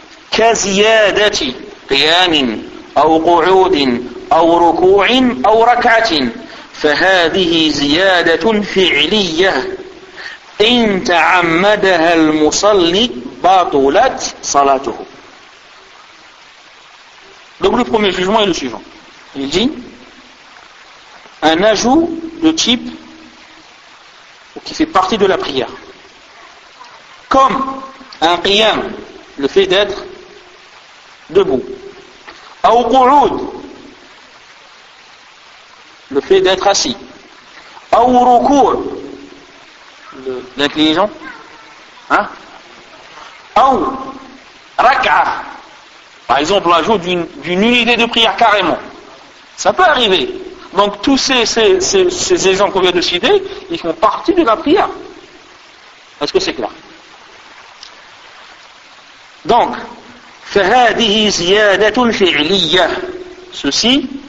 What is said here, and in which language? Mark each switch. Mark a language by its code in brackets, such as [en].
[ar] كزيادة قيام أو قعود أو ركوع أو ركعة فهذه زيادة فعلية إن تعمدها المصلي بطلت صلاته. [fr] Donc le premier jugement est le suivant. Il dit un ajout de type qui fait partie de la prière. Comme un qiyam, le fait d'être debout. Au qu'oud, le fait d'être assis. Au rukour, l'inclinaison. Hein? Au raka'a, par exemple, l'ajout d'une unité de prière carrément. Ça peut arriver. Donc, tous ces exemples qu'on vient de citer, ils font partie de la prière. Est-ce que c'est clair? Donc, [ar] فهذه زيادة فعلية. [fr] Ceci